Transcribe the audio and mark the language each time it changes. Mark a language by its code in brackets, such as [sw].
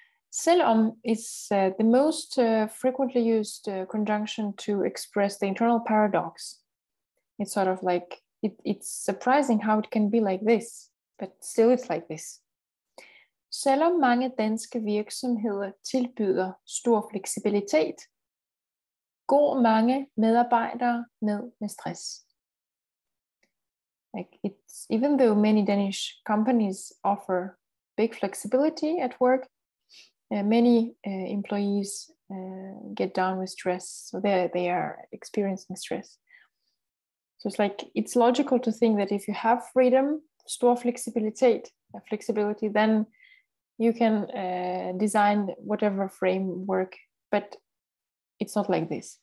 [en] Selvom is the most frequently used conjunction to express the internal paradox. It's sort of like, it's surprising how it can be like this, but still it's like this. [da] Selvom mange danske virksomheder tilbyder stor fleksibilitet, går mange medarbejdere ned med stress. [en] Like, it's even though many Danish companies offer big flexibility at work, many employees get down with stress, so they are experiencing stress. So it's like, it's logical to think that if you have freedom, store flexibility, then you can design whatever framework, but it's not like this.